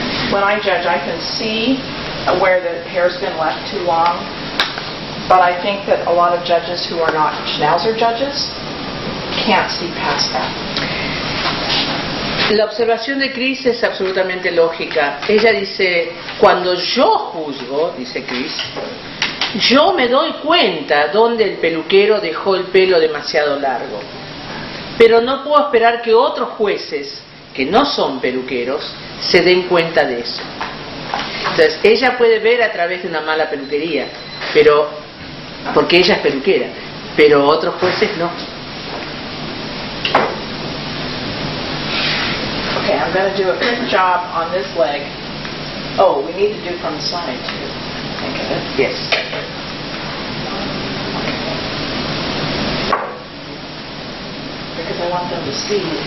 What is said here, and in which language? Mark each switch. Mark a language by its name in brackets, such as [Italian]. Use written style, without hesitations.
[English] When I judge, I can see where the hair's been left too long. But I think that a lot of judges who are not Schnauzer judges can't see past that. [Spanish] La observación de Chris es absolutamente lógica. Ella dice, cuando yo juzgo, dice Chris, yo me doy cuenta dónde el peluquero dejó el pelo demasiado largo. Pero no puedo esperar que otros jueces, que no son peluqueros, se den cuenta de eso. Entonces, ella puede ver a través de una mala peluquería, pero porque ella es peluquera, pero otros jueces no. [English] Okay, I'm going to do a quick job on this leg. Oh, we need to do from the side too. Think of it. Yes. Because I want them to see